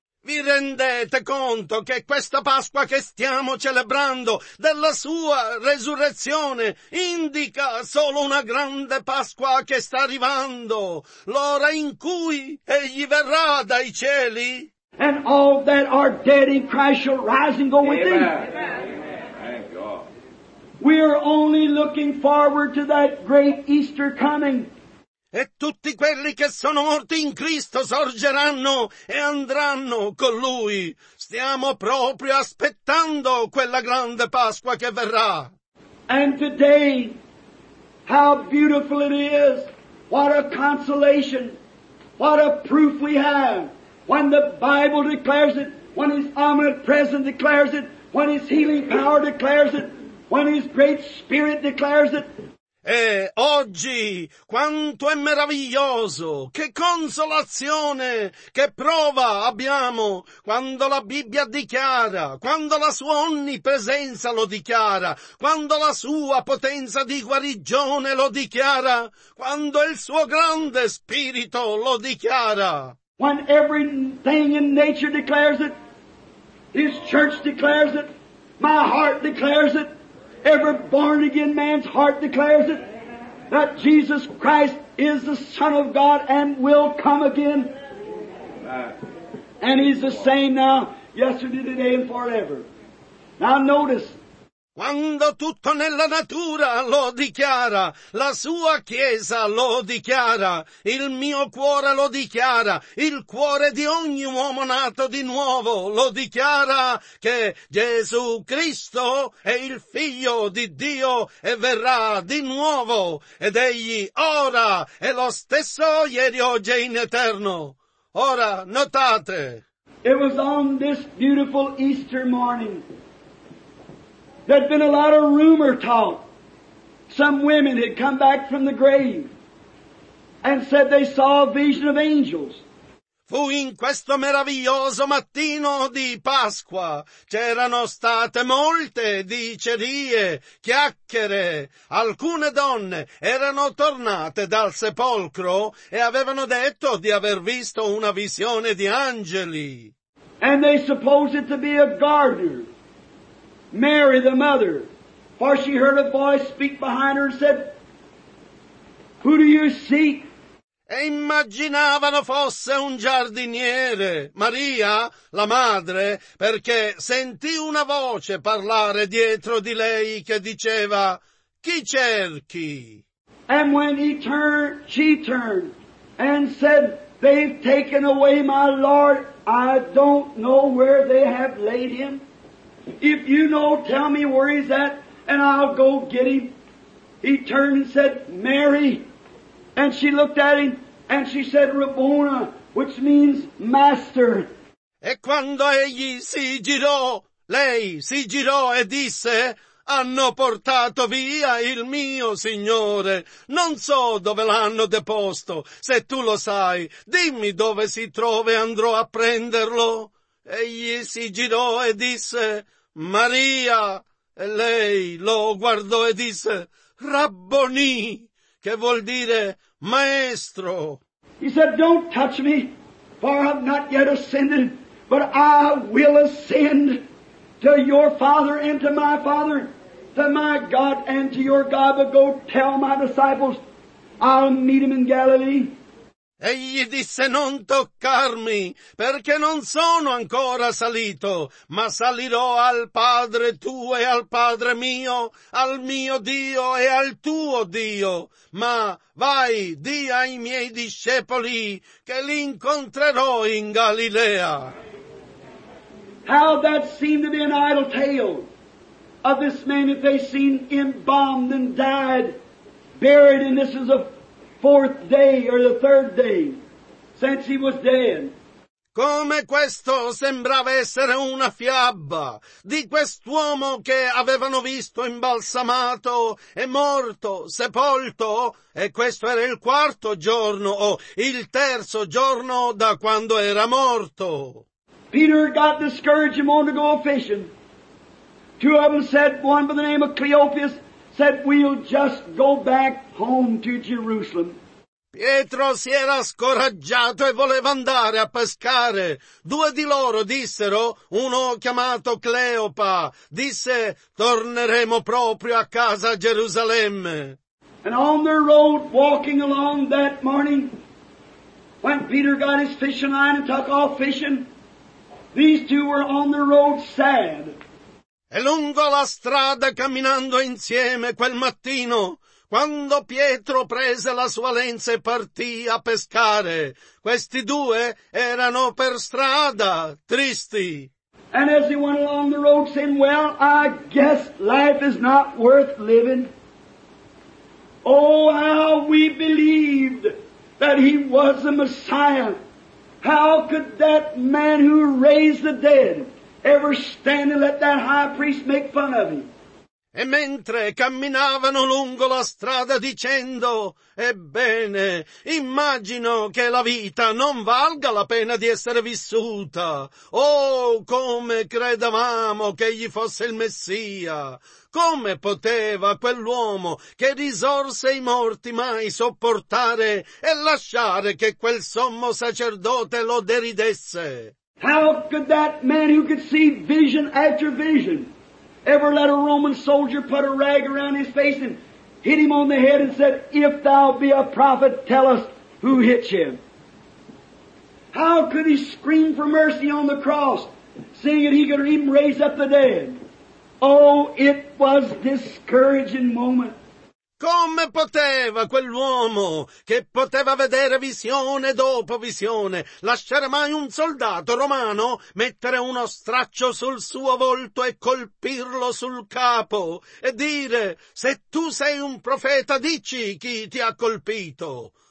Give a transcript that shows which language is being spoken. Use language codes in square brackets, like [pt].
[it] Vi rendete conto che questa Pasqua che stiamo celebrando della sua resurrezione indica solo una grande Pasqua che sta arrivando, l'ora in cui Egli verrà dai cieli. [en] And all that are dead in Christ shall rise and go Amen. With Him. Amen. Amen. Thank God. We are only looking forward to that great Easter coming. [it] E tutti quelli che sono morti in Cristo sorgeranno e andranno con Lui. Stiamo proprio aspettando quella grande Pasqua che verrà. [en] And today, how beautiful it is. What a consolation. What a proof we have. When the Bible declares it, when His omnipresence declares it, when His healing power declares it, when His great Spirit declares it. [it] E oggi quanto è meraviglioso, che consolazione, che prova abbiamo quando la Bibbia dichiara, quando la sua onnipresenza lo dichiara, quando la sua potenza di guarigione lo dichiara, quando il suo grande Spirito lo dichiara. [en] When everything in nature declares it, His church declares it, my heart declares it, every born again man's heart declares it, that Jesus Christ is the Son of God and will come again. And He's the same now, yesterday, today, and forever. Now notice. [it] Quando tutto nella natura lo dichiara, la sua Chiesa lo dichiara, il mio cuore lo dichiara, il cuore di ogni uomo nato di nuovo lo dichiara che Gesù Cristo è il Figlio di Dio e verrà di nuovo, ed Egli ora è lo stesso ieri, oggi e in eterno. Ora, notate. [en] It was on this beautiful Easter morning. There'd been a lot of rumor talk. Some women had come back from the grave and said they saw a vision of angels. [it] Fu in questo meraviglioso mattino di Pasqua. C'erano state molte dicerie, chiacchiere. Alcune donne erano tornate dal sepolcro e avevano detto di aver visto una visione di angeli. [en] And they supposed it to be a gardener. Mary, the mother, for she heard a voice speak behind her and said, "Who do you seek?" [it] E immaginavano fosse un giardiniere, Maria, la madre, perché sentì una voce parlare dietro di lei che diceva, "Chi cerchi?" [en] And when she turned and said, "They've taken away my Lord. I don't know where they have laid him. If you know, tell me where he's at, and I'll go get him." He turned and said, "Mary." And she looked at him, and she said, "Rabboni," which means master. [it] E quando egli si girò, lei si girò e disse, "Hanno portato via il mio Signore. Non so dove l'hanno deposto. Se tu lo sai, dimmi dove si trova e andrò a prenderlo." Egli si girò e disse, "Maria," e lei lo guardò e disse, "Rabboni," che vuol dire maestro. [en] He said, "Don't touch me, for I have not yet ascended, but I will ascend to your Father and to my Father, to my God and to your God, but go tell my disciples, I'll meet him in Galilee." [it] Egli disse, "Non toccarmi, perché non sono ancora salito, ma salirò al Padre tuo e al Padre mio, al mio Dio e al tuo Dio. Ma vai, di ai miei discepoli che li incontrerò in Galilea." [en] How that seemed to be an idle tale of this man that they seen embalmed and died, buried, and this is a fourth day or the third day since he was dead. [it] Come questo sembrava essere una fiaba di quest'uomo che avevano visto imbalsamato e morto, sepolto, e questo era il quarto giorno o il terzo giorno da quando era morto. [en] Peter got discouraged and wanted to go fishing. Two of them said, one by the name of Cleopas said, "We'll just go back home to Jerusalem." [it] Pietro si era scoraggiato e voleva andare a pescare. Due di loro dissero, uno chiamato Cleopa, disse, "Torneremo proprio a casa a Gerusalemme." [en] And on their road, walking along that morning, when Peter got his fishing line and took off fishing, these two were on the road sad. [it] E lungo la strada camminando insieme quel mattino, quando Pietro prese la sua lenza e partì a pescare, questi due erano per strada, tristi. [en] And as he went along the road saying, well, I guess life is not worth living. Oh, how we believed that he was the Messiah. How could that man who raised the dead ever stand and let that high priest make fun of him? [it] E mentre camminavano lungo la strada dicendo, ebbene, immagino che la vita non valga la pena di essere vissuta. Oh, come credevamo che egli fosse il Messia! Come poteva quell'uomo che risorse i morti mai sopportare e lasciare che quel sommo sacerdote lo deridesse? [en] How could that man who could see vision after vision ever let a Roman soldier put a rag around his face and hit him on the head and said, if thou be a prophet, tell us who hit him? How could he scream for mercy on the cross, seeing that he could even raise up the dead? Oh, it was a discouraging moment. [it] Come poteva quell'uomo che poteva vedere visione dopo visione lasciare mai un soldato romano mettere uno straccio sul suo volto e colpirlo sul capo e dire, se tu sei un profeta, dici chi ti ha colpito?